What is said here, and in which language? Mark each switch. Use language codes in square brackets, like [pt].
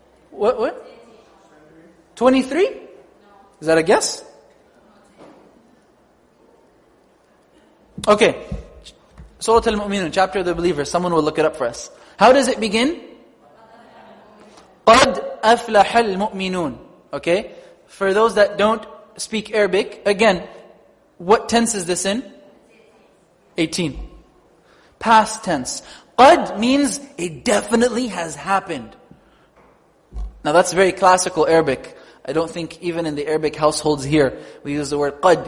[en] What? 23? Is that a guess? Okay. Surah Al-Mu'minun, chapter of the believers. Someone will look it up for us. How does it begin? [ar] قَدْ أَفْلَحَ الْمُؤْمِنُونَ Okay. [en] For those that don't speak Arabic, again, what tense is this in? 18. Past tense. Qad means it definitely has happened. Now that's very classical Arabic. I don't think even in the Arabic households here, we use the word qad.